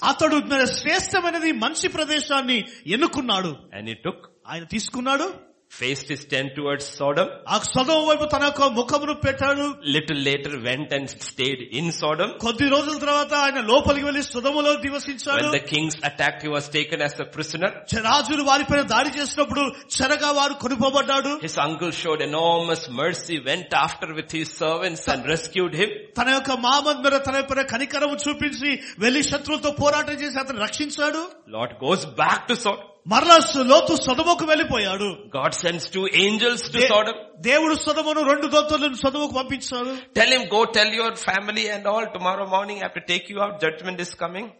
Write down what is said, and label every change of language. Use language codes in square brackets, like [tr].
[te] అతడు శ్రేష్టమైనది, మంచి ప్రదేశాన్ని ఎన్నుకున్నాడు. [en] And he took. [te] ఆయన తీసుకున్నాడు. [en] Faced his tent towards Sodom. [te] ఆ సదొమ వైపు తన యొక్క ముఖమును పెట్టాడు. [en] Little later went and stayed in Sodom. [te] కొద్ది రోజుల తర్వాత ఆయన లోపలికి వెళ్లి సదొమలో నివసించాడు. [en] When the king's attack, he was taken as a prisoner. [te] రాజులు వారిపైన దాడి చేసినప్పుడు చెరగా వారు కొనుపబడ్డాడు. [en] His uncle showed enormous mercy, went after with his servants and rescued him. [te] తన యొక్క మామ మీద తన పైన కనికరము చూపించి వెళ్లి శత్రులతో పోరాటం చేసి అతను రక్షించాడు. [en] Lord goes back to Sodom. [te] మరలా లోతు సదమకు వెళ్లిపోయాడు. [en] God sends two angels to Sodom. [te] దేవుడు సదమను, రెండు దూతలను సదమకు పంపించాడు. [en] Tell him, go tell your family and all, tomorrow morning I have to take you out, judgement is coming.